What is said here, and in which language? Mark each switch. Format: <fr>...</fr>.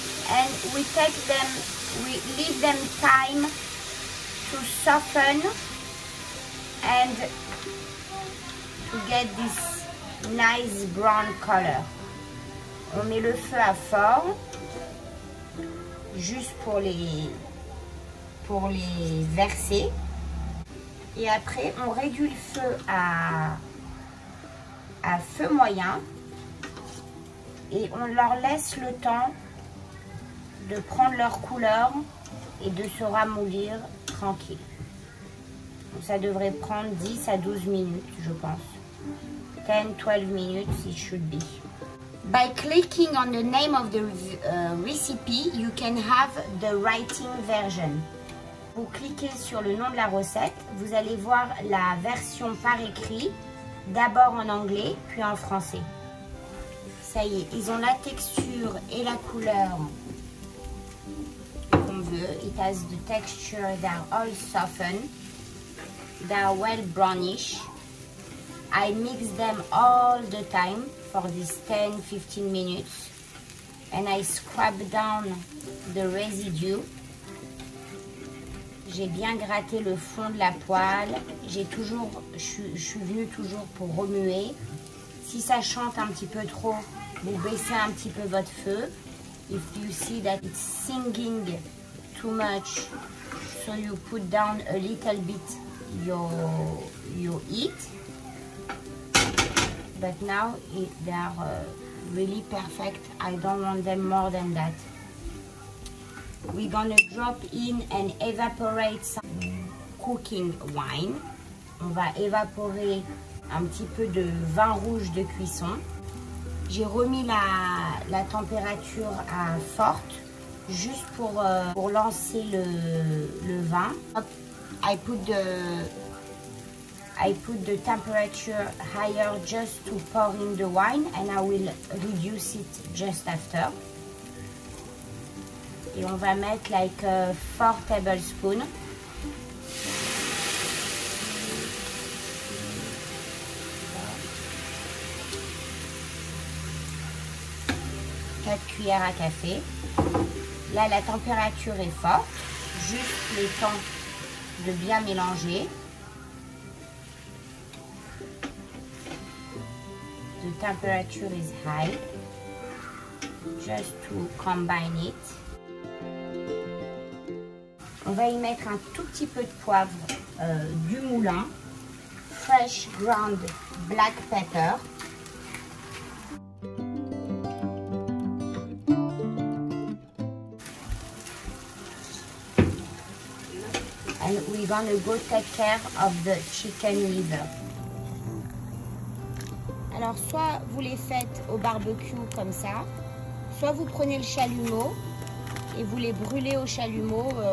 <en>And we take them, we leave them time to soften and to get this nice brown color.</en> <fr>On met le feu à fort juste pour les verser et après on réduit le feu à feu moyen et on leur laisse le temps de prendre leur couleur et de se ramollir. Tranquille. Donc ça devrait prendre 10 à 12 minutes, je pense.</fr> <en>10-12 minutes, it should be. By clicking on the name of the recipe, you can have the writing version.</en> <fr>Vous cliquez sur le nom de la recette, vous allez voir la version par écrit, d'abord en anglais, puis en français. Ça y est, ils ont la texture et la couleur.</fr> <en>It has the texture that are all softened, they are well brownish. I mix them all the time for these 10-15 minutes and I scrub down the residue</en> <fr>j'ai bien gratté le fond de la poêle. Je suis venue toujours pour remuer. Si ça chante un petit peu trop, vous baissez un petit peu votre feu.</fr> <en>If you see that it's singing too much, so you put down a little bit your heat. But now they are really perfect. I don't want them more than that. We're gonna drop in and evaporate some cooking wine.</en> <fr>On va évaporer un petit peu de vin rouge de cuisson. J'ai remis la température à forte, juste pour lancer le vin.</fr> <en>I put the temperature higher just to pour in the wine, and I will reduce it just after.</en> <fr>Et on va mettre</fr> <en>like 4 tablespoons.</en> <fr>Cuillères à café. Là, la température est forte, juste le temps de bien mélanger.</fr> <en>The temperature is high, just to combine it.</en> <fr>On va y mettre un tout petit peu de poivre du moulin,</fr> <en>fresh ground black pepper. And we're gonna go take care of the chicken liver.</en> <fr>Alors, soit vous les faites au barbecue comme ça, soit vous prenez le chalumeau et vous les brûlez au chalumeau.</fr>